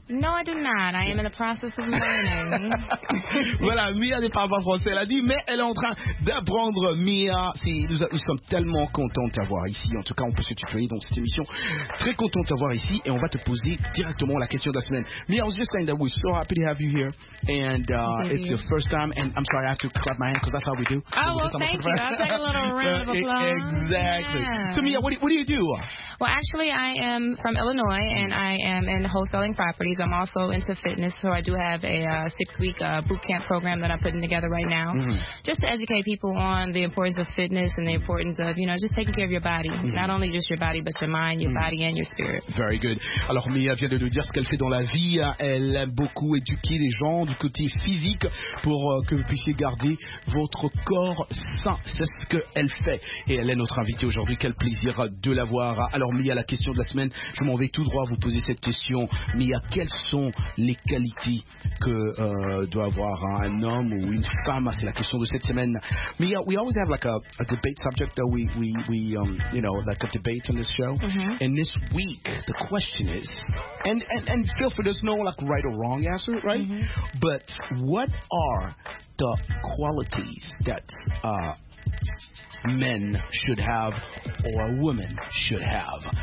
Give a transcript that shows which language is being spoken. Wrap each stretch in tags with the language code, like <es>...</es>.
<en>No, I do not. I am in the process of learning.</en> <fr>Voilà, Mia ne parle pas français, elle a dit, mais elle est en train d'apprendre. Mia, nous sommes tellement contents de t'avoir ici. En tout cas, on peut se tutoyer dans cette émission. Très content de t'avoir ici et on va te poser directement la question de la semaine.</fr> <en>Mia, I was just saying that we're so happy to have you here. And it's your first time. And I'm sorry, I have to clap my hand because that's how we do. Oh, well, thank you. I'll take a little round of applause. Exactly. Yeah. So, Mia, what do you do? Well, actually, I am from Illinois, and I am in wholesaling properties. I'm also into fitness, so I do have a six-week boot camp program that I'm putting together right now, mm-hmm. just to educate people on the importance of fitness and the importance of, you know, just taking care of your body, mm-hmm. not only just your body, but your mind, your mm-hmm. body, and your spirit. Very good.</en> <fr>Alors, Mia vient de nous dire ce qu'elle fait dans la vie. Elle aime beaucoup éduquer les gens du côté physique pour que vous puissiez garder votre corps sain. C'est ce qu'elle fait. Et elle est notre invitée aujourd'hui. Quel plaisir de l'avoir. Alors, Mia, la question de la semaine, je m'en vais tout droit vous poser cette question. Mia, quelles sont les qualités que doit avoir un homme ou une femme? C'est la question de cette semaine.</fr> <en>Mia, we always have like a debate subject that we you know, like a debate on this show. Mm-hmm. And this week, the question is, and feel free, there's no like right or wrong answer, right? Mm-hmm. But what are the qualities that men should have or a woman should have?</en>